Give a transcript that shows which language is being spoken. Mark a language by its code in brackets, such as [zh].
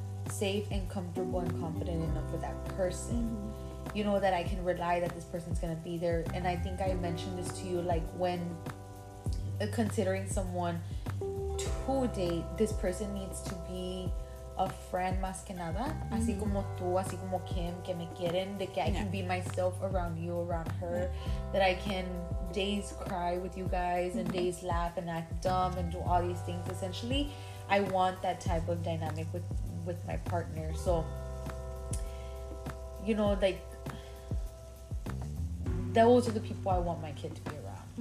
[en] safe and comfortable and confident enough with that person. Mm-hmm. You know, that I can rely that this person's going to be there. And I think I mentioned this to you, like, when considering someone to date, this person needs to be a friend [es] más que nada. [en] Mm-hmm. [es] Así como tú, así como Kim, que me quieren. De que [en] I can be myself around you, around her. That I can days cry with you guys and days laugh and act dumb and do all these things. Essentially, I want that type of dynamic with my partner. So, you know, like, those are the people I want my kid to be around.